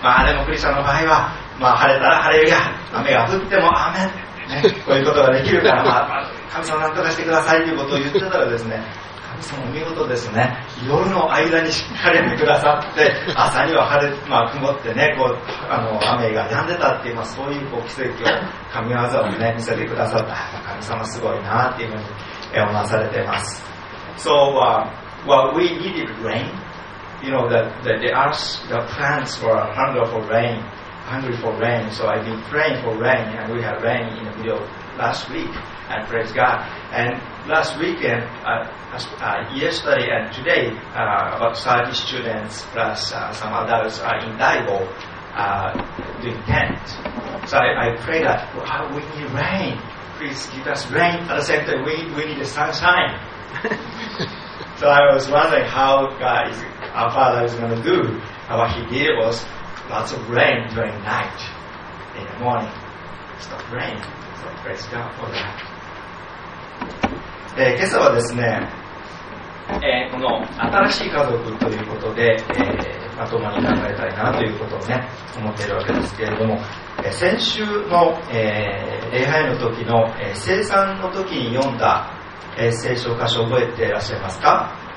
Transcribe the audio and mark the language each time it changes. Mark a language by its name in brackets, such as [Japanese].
[Japanese] まあ、でもクリスチャンの場合は、まあ、晴れたら晴れるや、雨が降っても雨、ね、こういうことができるから、神様なんとかしてくださいということを言ってたらですね、神様お見事ですね、夜の間にしっかり降ってくださって、朝には晴れ、まあ、曇ってね、こう雨が止んでたっていう、まあ、そういう奇跡を、神業を、ね、見せてくださった、神様すごいなっていうふうに思わされています。 [English] So, what we needed rain, you know, the earth, the plants were hungry for rain. Hungry for rain, so I've been praying for rain, and we had rain in the middle last week, and praise God. And last weekend, yesterday and today, about 30 students plus some adults are in Daigo doing tent. So I pray that, wow, we need rain. Please give us rain. At the same time, we need the sunshine. So I was wondering how God is, our Father is going to do. What he did was,Lots of rain during night, in the morning. Stop rain. So praise God for that. [Japanese] 今朝はですね、この新しい家族ということで、まともに考えたいなということをね、思っているわけですけれども、先週の、礼拝の時の、聖餐の時に読んだ、聖書箇所を覚えていらっしゃいますか？